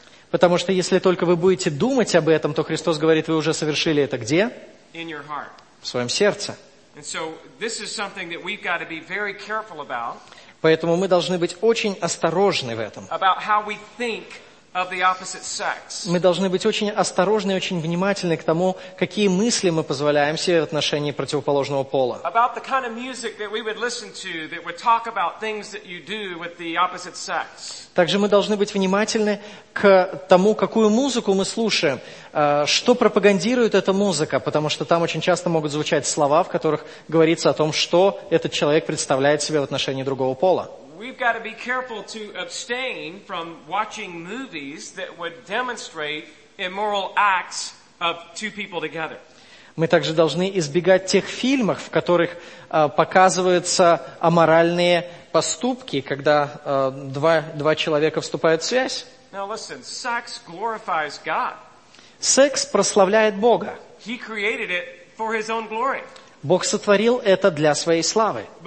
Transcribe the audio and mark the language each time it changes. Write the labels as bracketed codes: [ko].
[ru] Потому что если только вы будете думать об этом, то Христос говорит, вы уже совершили это где? [en] In your heart. [ru] В своем сердце. [en] And so this is something that we've got to be very careful about. [ru] Поэтому мы должны быть очень осторожны в этом. [en] About how we think. Of the opposite sex. [ru] Мы должны быть очень осторожны и очень внимательны к тому, какие мысли мы позволяем себе в отношении противоположного пола. [en] About the kind of music that we would listen to that would talk about things that you do with the opposite sex. [ru] Также мы должны быть внимательны к тому, какую музыку мы слушаем, что пропагандирует эта музыка, потому что там очень часто могут звучать слова, в которых говорится о том, что этот человек представляет себе в отношении другого пола. [en] We've got to be careful to abstain from watching movies that would demonstrate immoral acts of two people together. [ru] Мы также должны избегать тех фильмов, в которых показываются аморальные поступки, когда два человека вступают в связь. [en] Now listen, sex glorifies God. [ru] Секс прославляет Бога. [en] He created it for his own glory. [ru] Бог сотворил это для своей славы.